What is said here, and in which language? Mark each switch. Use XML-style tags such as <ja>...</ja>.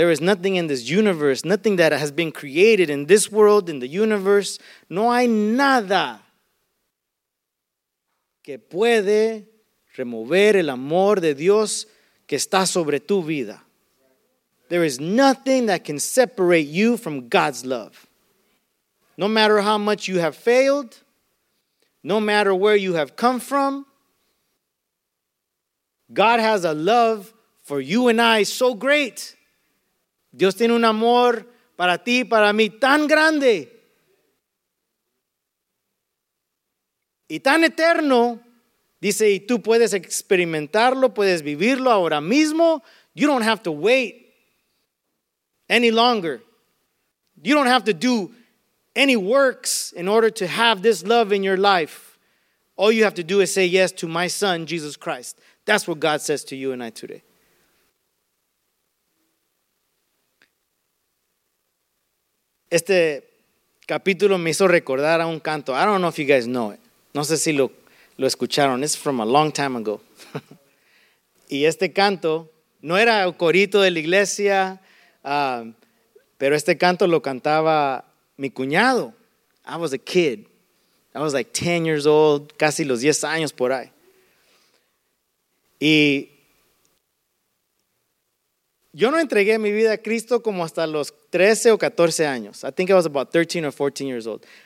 <en>There is nothing in this universe, nothing that has been created in this world, in the universe.</en> <es>No hay nada que puede remover el amor de Dios que está sobre tu vida.</es> <en>There is nothing that can separate you from God's love. No matter how much you have failed, no matter where you have come from, God has a love for you and I, so great.</en> <es>Dios tiene un amor para ti y para mí tan grande y tan eterno. Dice, y tú puedes experimentarlo, puedes vivirlo ahora mismo.</es> <en>You don't have to wait any longer. You don't have to do any works in order to have this love in your life. All you have to do is say yes to my son, Jesus Christ. That's what God says to you and I today.</en> <es>Este capítulo me hizo recordar a un canto.</es> <en>I don't know if you guys know it.</en> <es>No sé si lo escucharon.</es> <en>It's from a long time ago.</en> <es>Y este canto no era el corito de la iglesia, pero este canto lo cantaba mi cuñado.</es> <en>I was a kid. I was like 10 years old,</en> <es>casi los 10 años por ahí. Y yo no entregué mi vida a Cristo como hasta los 13 o 14 años.</es> <en>I think I was about 13 or 14 years old.</en>